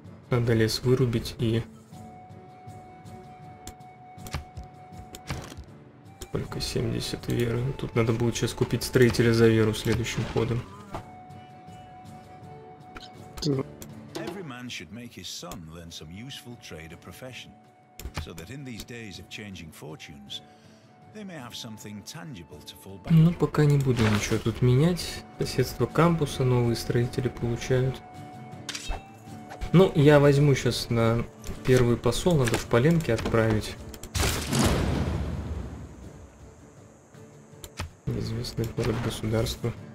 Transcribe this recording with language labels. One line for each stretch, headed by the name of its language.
Russian: Надо лес вырубить и... Только 70 веры. Тут надо будет сейчас купить строителя за веру следующим ходом.
English: Every man should make his son learn some useful trade or profession, so that in these days of changing fortunes, they may have something tangible to fall back.
Russian: Ну, пока не буду ничего тут менять. Соседство кампуса, новые строители получают. Ну, я возьму сейчас на первый посол, надо в Поленке отправить. Город государства.